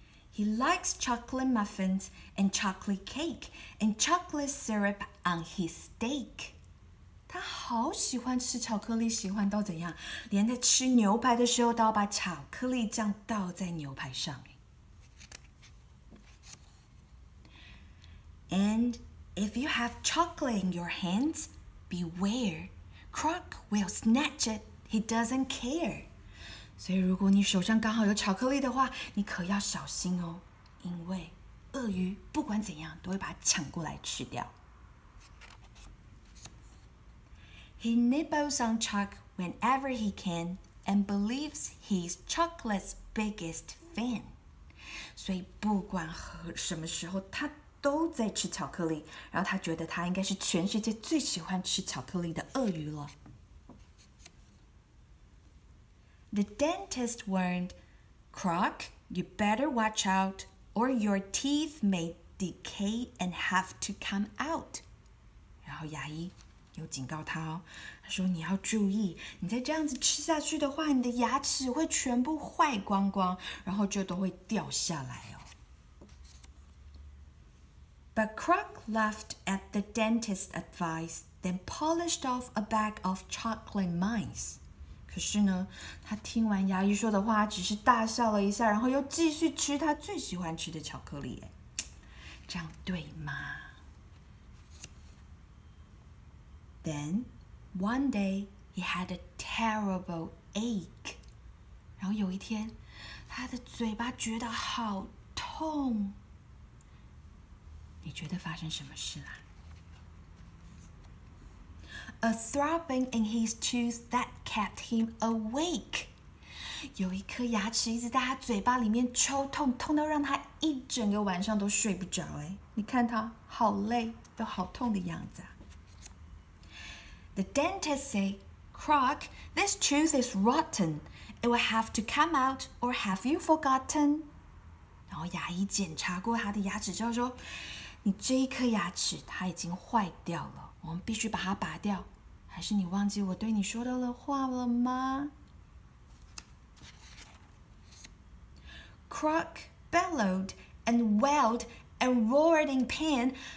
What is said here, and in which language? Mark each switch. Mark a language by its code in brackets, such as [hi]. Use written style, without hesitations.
[en] He likes chocolate muffins and chocolate cake and chocolate syrup on his steak. [zh] 他好喜欢吃巧克力，喜欢到怎样？连在吃牛排的时候都要把巧克力酱倒在牛排上。 [en] And if you have chocolate in your hands, beware. Croc will snatch it. He doesn't care. [zh] 所以如果你手上刚好有巧克力的话，你可要小心哦，因为鳄鱼不管怎样都会把它抢过来吃掉。 [en] He nibbles on Choc whenever he can and believes he's Chocolate's biggest fan. [zh] 所以不管和什么时候他都在吃巧克力，然后他觉得他应该是全世界最喜欢吃巧克力的鳄鱼了。 [en] The dentist warned, Croc, you better watch out or your teeth may decay and have to come out. [zh] 然后牙医有警告他哦，他说你要注意，你再这样子吃下去的话，你的牙齿会全部坏光光，然后就都会掉下来哦。 [en] But Croc laughed at the dentist's advice, then polished off a bag of chocolate mice. [zh] 可是呢，他听完牙医说的话，只是大笑了一下，然后又继续吃他最喜欢吃的巧克力。哎，这样对吗？ [en] Then, one day, he had a terrible ache. [zh] 然后有一天，他的嘴巴觉得好痛。你觉得发生什么事啦？ [en] A throbbing in his tooth that kept him awake. [zh] 有一颗牙齿一直在他嘴巴里面抽痛，痛到让他一整个晚上都睡不着。哎，你看他好累，都好痛的样子啊。 [en] The dentist say, Croc, this tooth is rotten. It will have to come out, or have you forgotten? [zh] 然后牙医检查过他的牙齿之后说，你这一颗牙齿它已经坏掉了，我们必须把它拔掉。还是你忘记我对你说的话了吗？ [en] Croc bellowed and wailed and roared in pain.